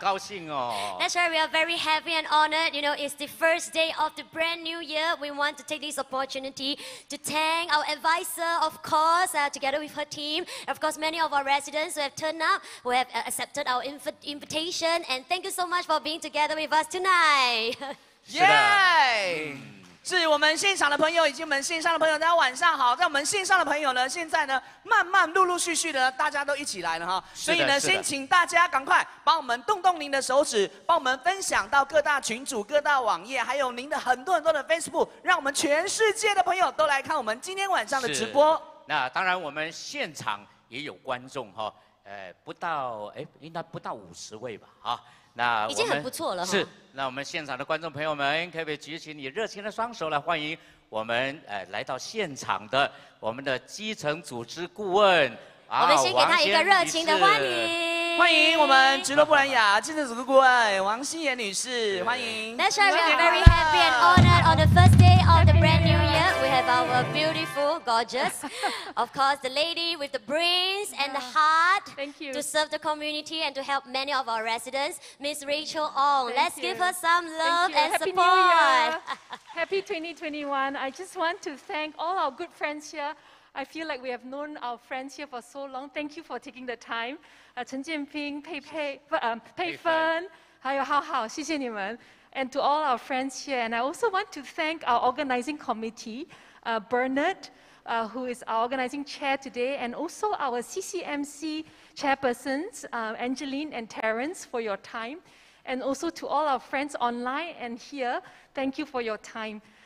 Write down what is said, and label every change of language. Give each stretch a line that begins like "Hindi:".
English: You know, it's the first day of the brand new year. We want to take this opportunity to thank our advisor, of course, together with her team. Of course, many of our residents who have turned up, who have accepted our invitation. And thank you so much for being together with us tonight. Yay!
Chinese: 是我们现场的朋友以及我们线上的朋友，大家晚上好。在我们线上的朋友呢，现在呢慢慢陆陆续续的大家都一起来了哈，所以呢先请大家赶快帮我们动动您的手指，帮我们分享到各大群组、各大网页，还有您的很多很多的 Facebook， 让我们全世界的朋友都来看我们今天晚上的直播。那当然我们现场也有观众哈，不到应该不到50位吧哈。那已经很不错了。是，那我们现场的观众朋友们，可不可以举起你热情的双手来欢迎我们来到现场的我们的基层组织顾问，我们先给他一个热情的欢迎。欢迎我们直落不蓝牙基层组织顾问王欣妍女士，欢迎。
English: That's right, we are very happy and honored on the first day of the brand new year. We have our beautiful, gorgeous, of course, the lady with the brains and the heart to serve the community and to help many of our residents, Miss Rachel Ong. Let's give her some love and support. Happy 2021. I just want to thank all our good friends here. I feel like we have known our friends here for so long. Thank you for taking the time.
Chinese: 陈建斌、佩芬还有浩浩，谢谢你们。
English: And to all our friends here. And I also want to thank our organizing committee, Bernard, who is our organizing chair today, and also our CCMC chairpersons, Angeline and Terrence, for your time. and also to all our friends online and here, thank you for your time.